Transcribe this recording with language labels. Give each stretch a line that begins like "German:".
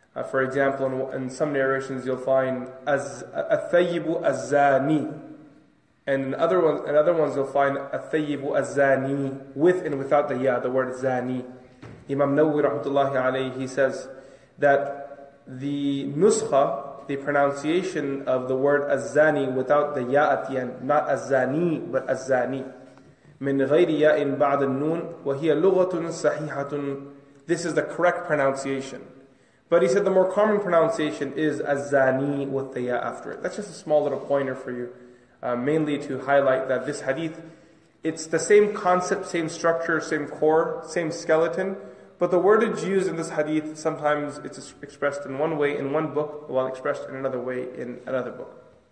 English: For example, in some narrations, you'll find "al-thayyibu al-zani," and in other ones, you'll find "al-thayyibu al-zani" with and without the ya, the word "zani." Imam Nawawi rahmatullahi alayhi, he says that the nuskha, the pronunciation of the word "al-zani" without the ya at the end, not "al-zani," but "al-zani."
Arabic: من غير ياء بعد النون وهي لغة صحيحة.
English: This is the correct pronunciation. But he said the more common pronunciation is الزاني with the ياء after it. That's just a small little pointer for you, mainly to highlight that this hadith, it's the same concept, same structure, same core, same skeleton, but the wordage used in this hadith, sometimes it's expressed in one way in one book, while expressed in another way in another book.